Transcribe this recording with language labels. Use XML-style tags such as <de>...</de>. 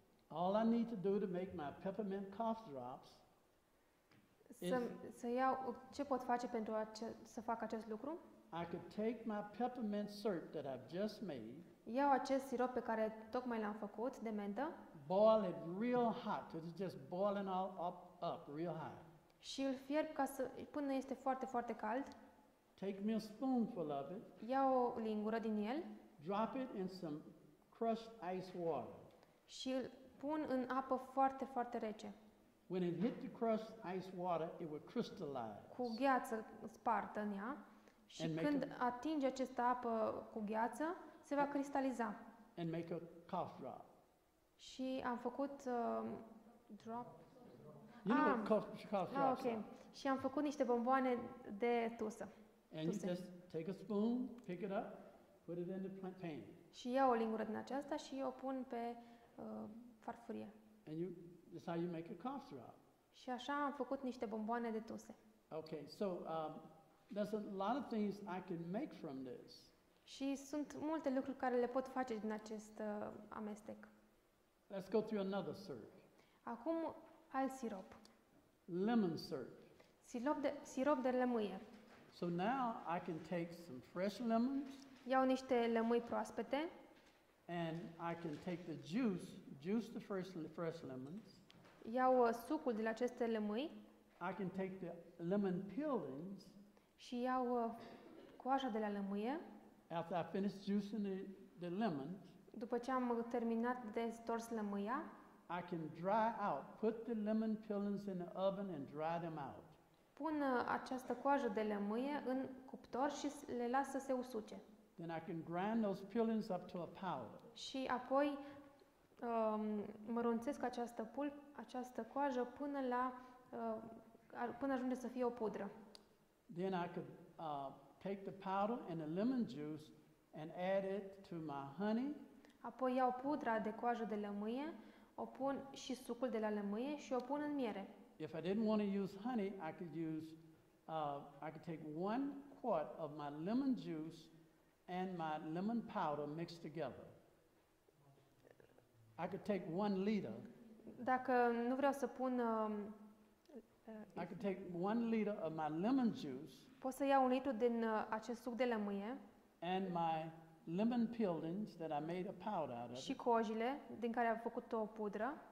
<en>All I need to do to make my peppermint cough drops is I could take my peppermint syrup that I've just made.</en> <ro>Iau acest sirop pe care tocmai l-am făcut de mentă.</ro> <en>Boil it real hot. It's just boiling all up real hot.</en> <ro>Și îl fierb ca să până este foarte foarte cald.</ro> <en>Take me a spoonful of it.</en> <ro>Iau o lingură din el.</ro> <en>Drop it in some crushed ice water.</en> <ro>Și îl pun în apă foarte foarte rece.</ro> <en>When it hit the crushed ice water, it will crystallize.</en> <ro>Cu gheață spartă în ea. Și când atinge această apă cu gheață, se va cristaliza.</ro> <en>And make a cough drop.</en> <ro>Și am făcut drop.</ro> <en>You know cough drops. Okay.</en> <ro>Și am făcut niște bomboane de tusă.</ro> <en>And you just take a spoon, pick it up, put it in the pan.</en> <ro>Și iau o lingură din aceasta și o pun pe farfurie.</ro> <en>And you, that's how you make a cough drop.</en> <ro>Și așa am făcut niște bomboane de tuse.</ro> <en>Okay. So there's a lot of things I can make from this.</en> <ro>Și sunt multe lucruri care le pot face din acest amestec.</ro> <en>Let's go through another syrup.</en> <ro>Acum alt sirop.</ro> <en>Lemon syrup.</en> <ro>Sirop de lămâie.</ro> <en>So now I can take some fresh lemons.</en> <ro>Iau niște lămâi proaspete.</ro> <en>And I can take the juice the fresh lemons.</en> <ro>Iau sucul de la aceste lămâi.</ro> <en>I can take the lemon peelings.</en> <ro>Și iau coaja de la lămâie.</ro> <en>After I finish juicing the lemon,</en> <ro>după ce am terminat de stors lămâia,</ro> <en>I can dry out, put the lemon peelings in the oven and dry them out.</en> <ro>Pun această coajă de lămâie în cuptor și le las să se usuce.</ro> <en>Then I can grind those peelings up to a powder.</en> <ro>Și apoi mărunțesc această coajă până la până ajunge să fie o pudră.</ro> <en>Then I could take the powder and the lemon juice and add it to my honey.</en> <ro>Apoi iau pudra de coajă de lămâie, o pun și sucul de la lămâie și o pun în miere.</ro> <en>If I didn't want to use honey, I could use I could take one quart of my lemon juice and my lemon powder mixed together. I could take 1 liter.</en> <ro>Dacă nu vreau să pun</ro> <en>I could take 1 liter of my lemon juice.</en> <ro>Pot să iau un litru din acest suc de lămâie.</ro> <en>And my lemon peelings that I made a powder out of.</en> <ro>Și cojile din care am făcut o pudră.</ro>